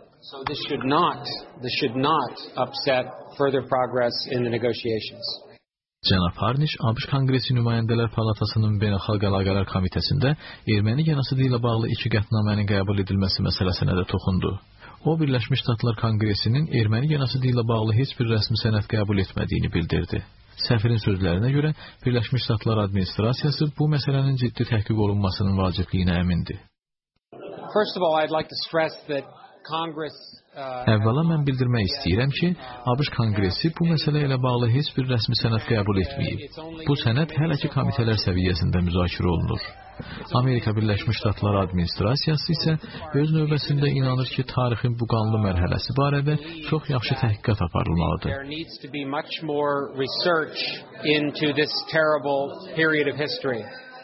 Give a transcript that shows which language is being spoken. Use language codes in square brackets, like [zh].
[az] So this should not upset further progress in the negotiations. Cənab Harniş, ABŞ Kongresi Nümayəndələr Palatasının Beynəlxalq Əlaqələr Komitəsində erməni genosidi ilə bağlı iki qətnamənin qəbul edilməsi məsələsinə də toxundu. O, Birleşmiş Ştatlar Kongresinin Erməni genosidi ilə bağlı heç bir rəsmi sənəd qəbul etmədiyini bildirdi. Səfirin sözlərinə görə, Birleşmiş Ştatlar Administrasiyası bu məsələnin ciddi təhqiq olunmasının vacibliyinə əmindir. [en] First of all, I'd like to stress that Congress [az] Əvvəla mən bildirmək istəyirəm ki, ABŞ Kongresi bu məsələ ilə bağlı heç bir rəsmi sənəd qəbul etməyib. Bu sənəd hələ ki komitələr səviyyəsində müzakirə olunur. Amerika Birləşmiş Ştatları Administrasiyası isə öz növbəsində inanır ki, tarixin bu qanlı mərhələsi barədə çox yaxşı təhqiqat aparılmalıdır.